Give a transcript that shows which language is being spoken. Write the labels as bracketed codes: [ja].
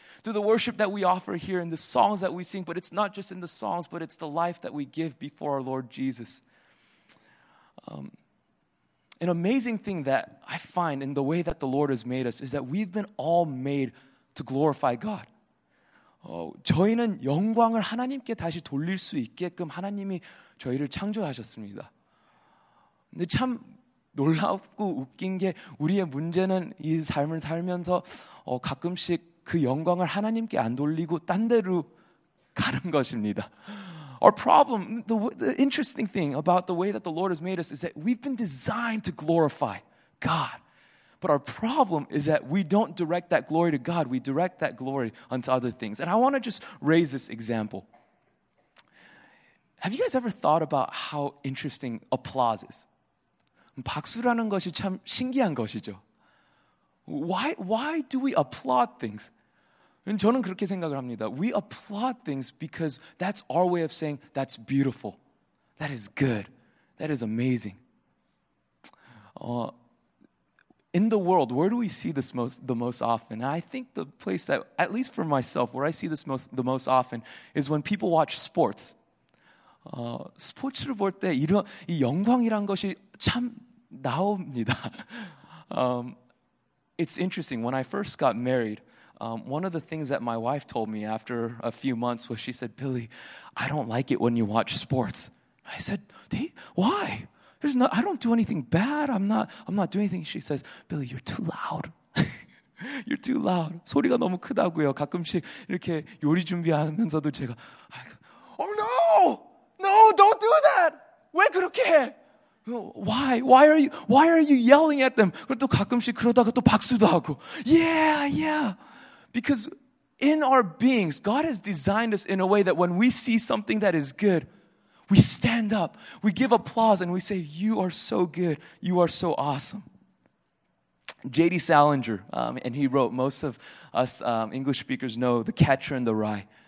[en] Through the worship that we offer here and the songs that we sing, but it's not just in the songs, but it's the life that we give before our Lord Jesus. An amazing thing that I find in the way that the Lord has made us is that we've been all made to glorify God. [ko] 저희는 영광을 하나님께 다시 돌릴 수 있게끔 하나님이 저희를 창조하셨습니다. 근데 참 놀랍고 웃긴 게 우리의 문제는 이 삶을 살면서 가끔씩 그 영광을 하나님께 안 돌리고 딴 데로 가는 것입니다. [en] Our problem, the interesting thing about the way that the Lord has made us is that we've been designed to glorify God. But our problem is that we don't direct that glory to God. We direct that glory unto other things. And I want to just raise this example. Have you guys ever thought about how interesting applause is? [ko] 박수라는 것이 참 신기한 것이죠. [en] Why do we applaud things? [ko] 저는 그렇게 생각을 합니다. [en] We applaud things because that's our way of saying that's beautiful. That is good. That is amazing. In the world, where do we see this the most often? And I think the place that, at least for myself, where I see this the most often is when people watch sports. [ko] 스포츠를 볼 때 이런 이 영광이란 것이 참 나옵니다. [en] It's interesting. When I first got married, one of the things that my wife told me after a few months was she said, Billy, I don't like it when you watch sports. I said, why? There's no, I don't do anything bad. I'm not doing anything. She says, Billy, you're too loud. You're too loud. [ko] 소리가 너무 크다고요. 가끔씩 이렇게 요리 준비하면서도 제가, [en] oh no! No, don't do that! [ko] 왜 그렇게 해? [en] Why? Why are you yelling at them? [ko] 그리고 또 가끔씩 그러다가 또 박수도 하고. [en] Yeah. Because in our beings, God has designed us in a way that when we see something that is good, we stand up, we give applause, and we say, you are so good, you are so awesome. J.D. Salinger, and he wrote, most of us English speakers know, The Catcher in the Rye.